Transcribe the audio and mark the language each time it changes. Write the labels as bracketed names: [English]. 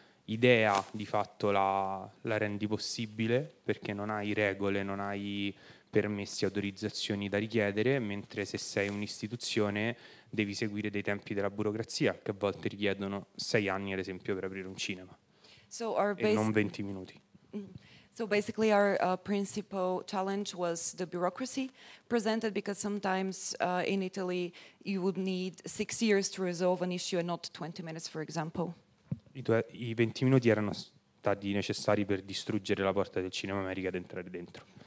[Italian] idea di fatto la rendi possibile, perché non hai regole, non hai permessi, autorizzazioni da richiedere, mentre se sei un'istituzione devi seguire dei tempi della burocrazia che a volte richiedono 6 anni, ad esempio, per aprire un cinema. [English] So [Italian] non 20 minuti. [English] So basically our principal challenge was the bureaucracy presented, because sometimes in Italy you would need 6 years to resolve an issue and not 20 minutes, for example. [Italian] I 20 minuti erano stati necessari per distruggere la porta del Cinema America ad entrare dentro.